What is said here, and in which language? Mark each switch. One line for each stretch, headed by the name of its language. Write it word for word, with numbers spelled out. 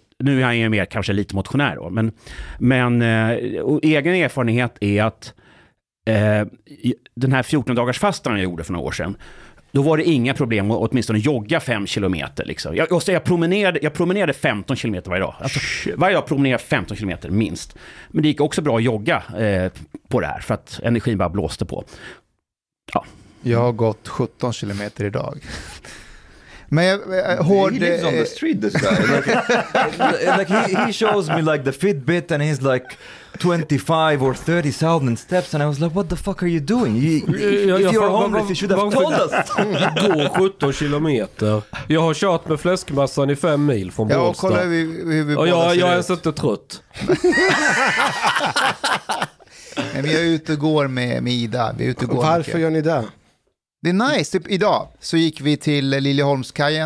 Swedish: Nu är han ju mer kanske lite motionär då. Men, men egen erfarenhet är att eh, den här fjorton dagars fastan jag gjorde för några år sedan, då var det inga problem att åtminstone jogga fem kilometer. Liksom. Jag, jag, jag, promenerade, jag promenerade femton kilometer varje dag. Alltså, varje dag promenerade femton kilometer minst. Men det gick också bra att jogga eh, på det här för att energin bara blåste på. Ja. Jag har gått sjutton kilometer idag. Men jag, jag, hård,
English: he lives on the street, this guy. Like, like he, he shows me like the Fitbit and he's like twenty-five or thirty thousand steps and I was like, what the fuck are you doing? You, if
Swedish: jag,
English: you're homeless, you should have told us.
Swedish: Går sjutton kilometer. Jag har kört med fläskmassan i fem mil från Båstad. Ja, och kolla hur vi, hur vi och jag, jag är ens inte trött. Men vi är ute och går med, med Ida. Vi är ute och går. Varför med gör ni det? Det är nice. Typ idag så gick vi till Liljeholmskajen.